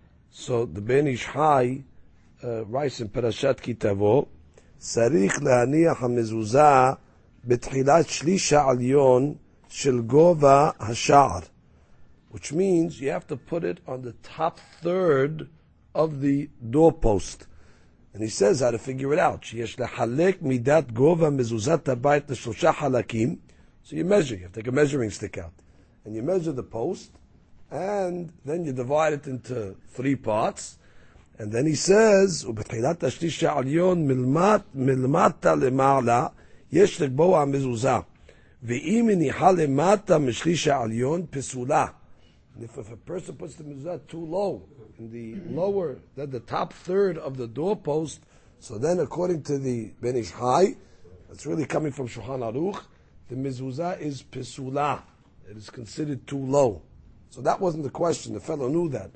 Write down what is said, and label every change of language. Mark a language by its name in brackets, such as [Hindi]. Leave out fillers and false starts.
[English] So the Ben Ish Chai writes in Parashat Ki Tavo, [Hebrew] צריך להניח המזוזה בתחילת שליש העליון של גובה השער. [English] Which means you have to put it on the top third of the doorpost. And he says how to figure it out. [Hebrew] שיש לחלק מידת גובה מזוזת הבית לשלושה חלקים. [English] So you measure, you have to take a measuring stick out. And you measure the post, and then you divide it into three parts. And then he says, [Hebrew] ובתחילת השליש העליון מלמטה למעלה, יש לגבוה המזוזה. ואם מניחה למטה משליש העליון, פסולה. [English] And if a person puts the mezuzah too low, in the lower, that the top third of the doorpost, so then according to the Ben Ish Chai, that's really coming from Shulchan Aruch, the mezuzah is pesula. It is considered too low. So that wasn't the question. The fellow knew that.